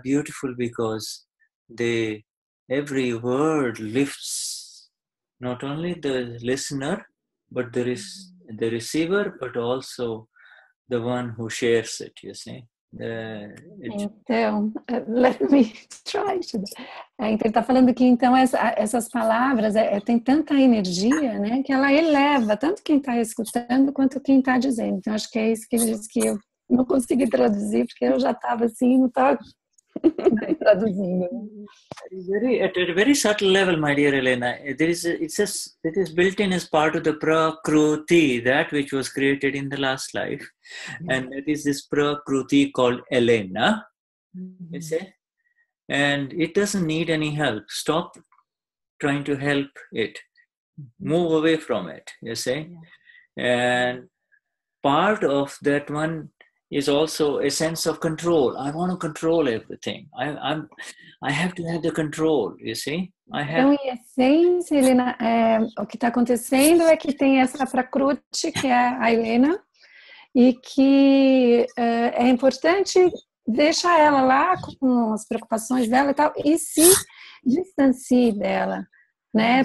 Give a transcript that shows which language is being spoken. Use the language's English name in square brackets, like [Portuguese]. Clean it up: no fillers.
[English] Beautiful because every word lifts not only the listener, but the receiver, but also the one who shares it, you see. Então, let me try. [Portuguese] Então, ele está falando que então essas palavras têm tanta energia, né, que ela eleva tanto quem está escutando quanto quem está dizendo. Então, acho que é isso que ele disse que eu não consegui traduzir, porque eu já estava assim, não estava traduzindo. [English] At a very subtle level, my dear Elena, it is built in as part of the prakruti, that which was created in the last life. Mm-hmm. And it is this prakruti called Elena. Mm-hmm. You see? And it doesn't need any help. Stop trying to help it. Move away from it, you see? Yeah. And part of that one is also a sense of control. I want to control everything. I have to have the control, you see? I have... [Portuguese] Então, em essência, Helena, o que está acontecendo é que tem essa prakruti, que é a Helena, e que é importante deixar ela lá com as preocupações dela e tal, e se distanciar dela, né?